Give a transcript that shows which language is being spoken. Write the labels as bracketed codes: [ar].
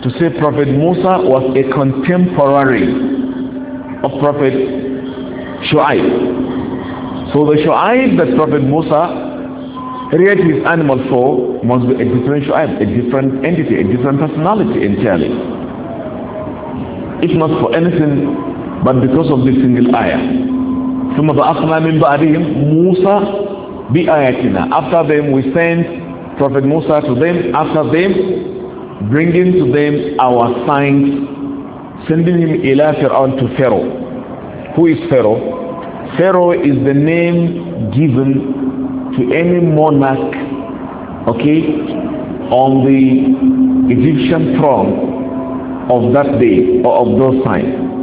[en] to say Prophet Musa was a contemporary of Prophet Shu'aib. So the Shu'aib that Prophet Musa reared his animal for must be a different Shu'aib, a different entity, a different personality entirely. If not for anything, but because of this single ayah. [ar] ثم بأخنا من بعدهم موسى بآياتنا. [en] After them we sent Prophet Musa to them, after them bringing to them our signs, sending him [ar] إلى فرعون [en] to Pharaoh. Who is Pharaoh? Pharaoh is the name given to any monarch, okay, on the Egyptian throne of that day or of those times.